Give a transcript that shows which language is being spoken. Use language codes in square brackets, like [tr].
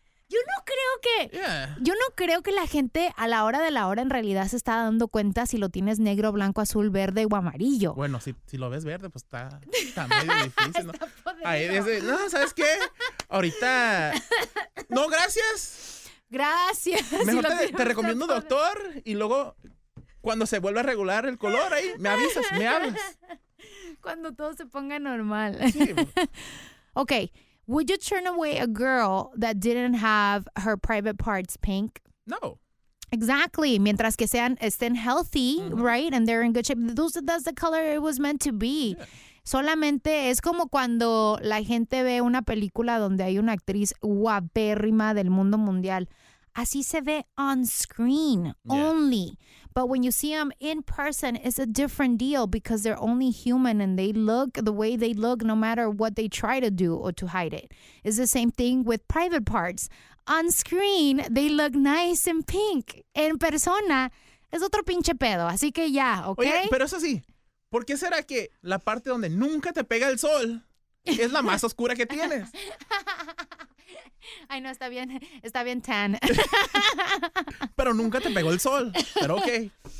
[es] Yo no creo que... Yeah. Yo no creo que la gente a la hora de la hora en realidad se está dando cuenta si lo tienes negro, blanco, azul, verde o amarillo. Bueno, si lo ves verde, pues está medio difícil, ¿no? Está podrido. Ahí dice, no, ¿sabes qué? Ahorita... No, gracias. Gracias. Mejor te recomiendo un doctor y luego cuando se vuelva a regular el color ahí, me avisas, me hablas. Cuando todo se ponga normal. Sí. Okay. [en] Would you turn away a girl that didn't have her private parts pink? [es] No. Exactly. Mientras que estén healthy, mm-hmm. right? [en] And they're in good shape. That's the color it was meant to be. Yeah. [es] Solamente es como cuando la gente ve una película donde hay una actriz guapérrima del mundo mundial. Así se ve [en] on screen only. Yeah. But when you see them in person, it's a different deal because they're only human and they look the way they look no matter what they try to do or to hide it. It's the same thing with private parts. On screen, they look nice and pink. [es] En persona, es otro pinche pedo. Así que ya, ¿ok? Oye, pero eso sí, ¿por qué será que la parte donde nunca te pega el sol es la más oscura que tienes? Ay, no, está bien tan. Pero nunca te pegó el sol, pero okay.